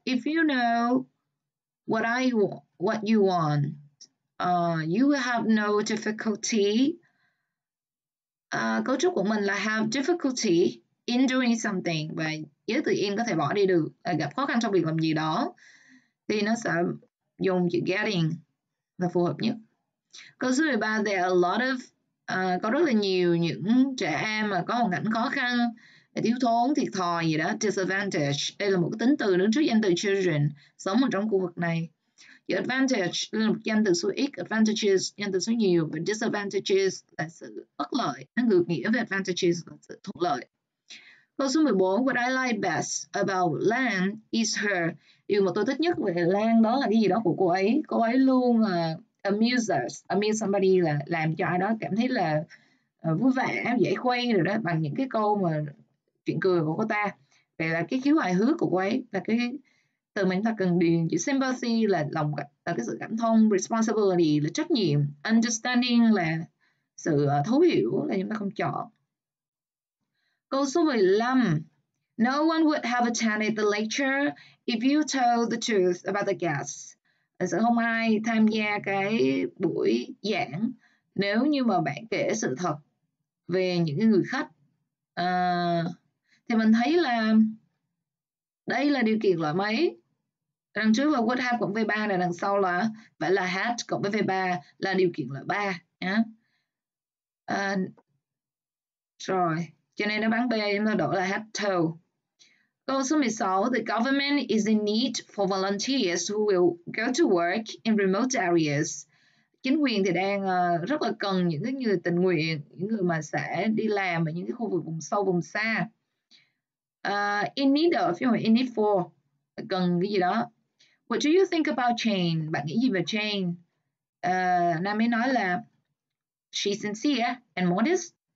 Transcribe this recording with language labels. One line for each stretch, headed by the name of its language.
English: If you know what you want, you will have no difficulty.
Vietnamese: Cấu trúc của mình là
English: have difficulty in doing something.
Vietnamese: Và dưới từ in có thể bỏ đi được, gặp khó khăn trong việc làm gì đó. Thì nó sẽ dùng chữ getting là phù hợp nhất. Câu số 13,
English: there are a lot of
Vietnamese: có rất là nhiều những trẻ em mà có hoàn cảnh khó khăn, thiếu thốn, thiệt thòi gì đó. Disadvantage, đây là một cái tính từ đứng trước danh từ children, sống ở trong khu vực này. Chữ advantage là một danh từ số ít, advantages danh từ số nhiều, và disadvantages là sự bất lợi, nó ngược nghĩa với advantages là sự thuận lợi. Câu số 14,
English: what I like best about Lan is her.
Vietnamese: Điều mà tôi thích nhất về Lan đó là cái gì đó của cô ấy. Cô ấy luôn
English: amuse somebody,
Vietnamese: là làm cho ai đó cảm thấy là vui vẻ, dễ khuây rồi đó, bằng những cái câu mà chuyện cười của cô ta. Vậy là cái khiếu hài hước của cô ấy là cái từ mà chúng ta cần điền. Chữ sympathy là lòng, là cái sự cảm thông. Responsibility là trách nhiệm. Understanding là sự thấu hiểu, là chúng ta không chọn. Câu số 15.
English: No one would have attended the lecture if you told the truth about the guests.
Vietnamese: sẽ không ai tham gia cái buổi giảng nếu như mà bạn kể sự thật về những cái người khách. Thì mình thấy là đây là điều kiện loại mấy? Đằng trước là would have cộng V3 này, đằng sau là phải là had cộng với V3 là điều kiện loại 3 nhá. Rồi, cho nên đáp án B chúng ta đổi là had to. Câu số 16,
English: the government is in need for volunteers who will go to work in remote areas.
Vietnamese: Chính quyền thì đang rất là cần những cái người tình nguyện, những người mà sẽ đi làm ở những cái khu vực vùng sâu, vùng xa.
English: In need of,
Vietnamese: phiên
English: in need for,
Vietnamese: cần cái gì đó.
English: What do you think about Jane?
Vietnamese: Bạn nghĩ gì về Jane? Nam ấy nói là
English: she's sincere and modest.